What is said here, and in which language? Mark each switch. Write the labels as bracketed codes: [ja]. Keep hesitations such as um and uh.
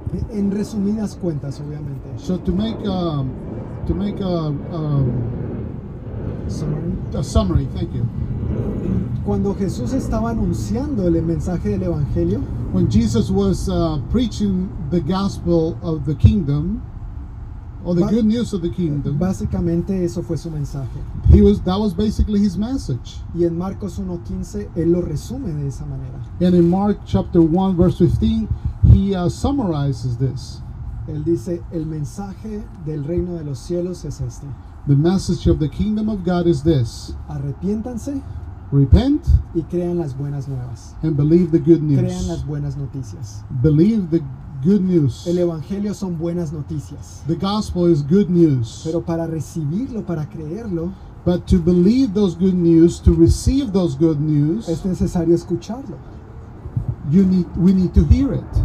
[es] En resumidas cuentas, obviamente. [en] So to make a, to make a, a summary. A summary. Thank you [es] cuando Jesús estaba anunciando el mensaje del evangelio [en] when Jesus was uh, preaching the gospel of the kingdom or the ba good news of the kingdom uh, [es] básicamente eso fue su mensaje [en] he was that was basically his message [es] y en Marcos 1:15 él lo resume de esa manera [en] and in Mark chapter 1 verse 15 he uh, summarizes this [es] él dice el mensaje del reino de los cielos es este [en] the message of the kingdom of god is this [es] arrepiéntanse Repent y crean las buenas nuevas. [en] And believe the good news. [es] Crean las buenas noticias. [en] Believe the good news. [es] El evangelio son buenas noticias. [en] The gospel is good news. [es] Para para creerlo, [en] but to believe those good news, to receive those good news, [es] es necesario escucharlo [en] you need, we need to hear it.